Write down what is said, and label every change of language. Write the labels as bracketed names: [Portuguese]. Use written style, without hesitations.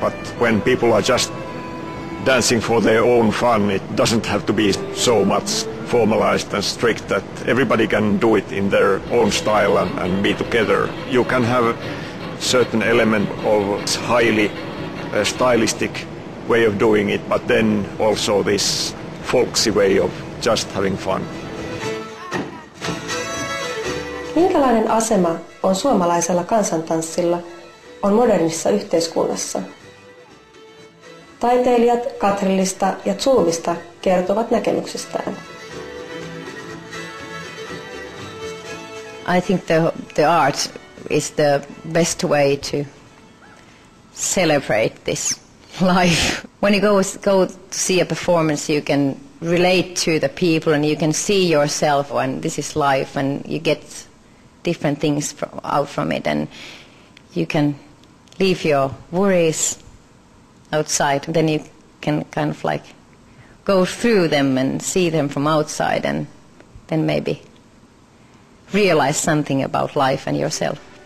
[English] But when people are just dancing for their own fun, it doesn't have to be so much formalized and strict, that everybody can do it in their own style and be together. You can have a certain element of highly stylistic way of doing it, but then also this folksy way of just having fun. [Finnish] Minkälainen asema on suomalaisella kansantanssilla on modernissa yhteiskunnassa? Taiteilijat Katrillista ja Zoomista kertovat näkemyksestään. [English] I think the art is the best way to celebrate this life. When you go to see a performance, you can relate to the people and you can see yourself, and this is life, and you get different things out from it, and you can leave your worries outside, then you can kind of like go through them and see them from outside, and then maybe realize something about life and yourself.